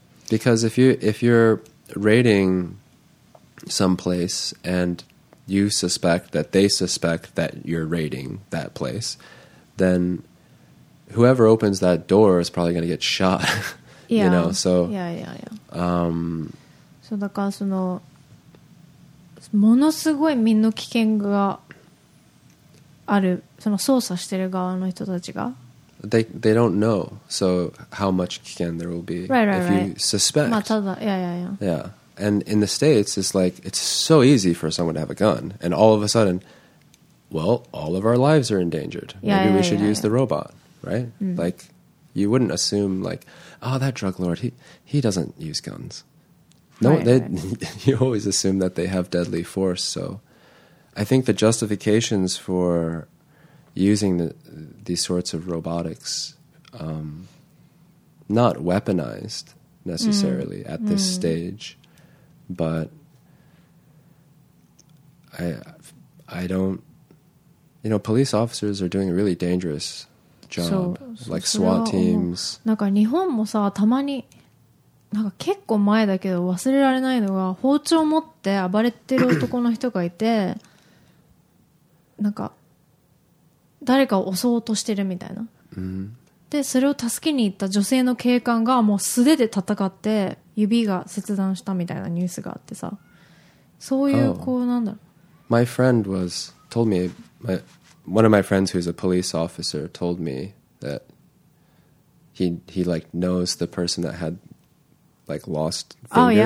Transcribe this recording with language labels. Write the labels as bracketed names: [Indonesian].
[English] Because if you're raiding some place and you suspect that they suspect that you're raiding that place, then whoever opens that door is probably going to get shot. Yeah. You know, so... Yeah, yeah, yeah. [Japanese] So だからそのものすごい身の危険がある、その操作してる側の人たちが。 [English] They don't know, so how much [Japanese] 危険 [English] there will be. Right, right, right. If you suspect. [Japanese] まあただ、 [English] yeah, yeah, yeah. Yeah. And in the States, it's like, it's so easy for someone to have a gun. And all of a sudden, well, all of our lives are endangered. Maybe we should use the robot, right? Mm. Like, you wouldn't assume like, oh, that drug lord, he doesn't use guns. No, you always assume that they have deadly force. So I think the justifications for using these sorts of robotics, not weaponized necessarily at this stage, but I don't, you know, police officers are doing a really dangerous job, like SWAT teams. [Japanese] なんか日本もさ、たまに…なんか結構前だけど忘れられないのが包丁持って暴れてる男の人がいてなんか誰かを襲おうとしてるみたいな、 mm-hmm. でそれを助けに行った女性の警官がもう素手で戦って指が切断したみたいなニュースがあってさそういうこうなんだろう、oh. [English] My friend was told me my, one of my friends who's a police officer told me that he like knows the person that hadLike lost fingers